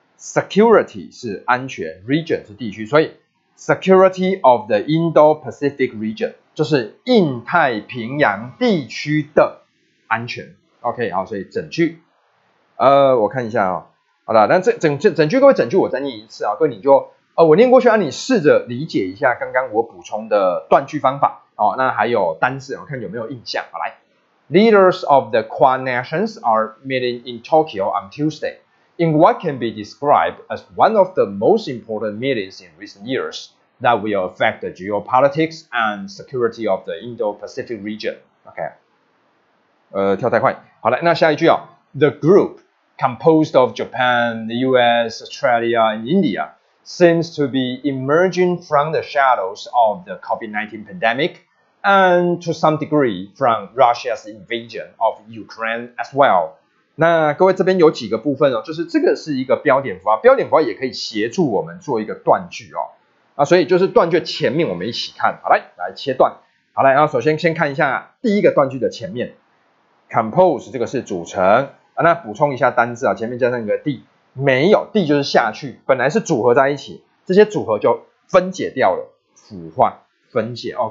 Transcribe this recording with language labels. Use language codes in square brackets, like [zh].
[zh] Security 是安全， region 是地区，所以 [en] Security of the Indo-Pacific region [zh] 就是印太平洋地区的安全。 OK， 好，所以整句，我看一下哦。好了，那整句各位整句我再念一次啊，各位你就我念过去啊，你试着理解一下刚刚我补充的断句方法哦，那还有单字，我看有没有印象。 [en] 好，来 ，Leaders of the Quad Nations are meeting in Tokyo on Tuesday in what can be described as one of the most important meetings in recent years that will affect the geopolitics and security of the Indo-Pacific region. [zh] OK， 跳太快。好了，那下一句啊 ， [en] The group。 Composed of Japan, the US, Australia, and India, seems to be emerging from the shadows of the COVID-19 pandemic and to some degree from Russia's invasion of Ukraine as well. [zh] 那各位这边有几个部分哦，就是这个是一个标点符号，标点符号也可以协助我们做一个断句哦。啊，所以就是断句前面我们一起看，好来，来切断。好来，然后首先先看一下第一个断句的前面 ，compose 这个是组成。啊，那补充一下单字啊，前面加上一个 d， 没有 d 就是下去，本来是组合在一起，这些组合就分解掉了，腐化分解哦。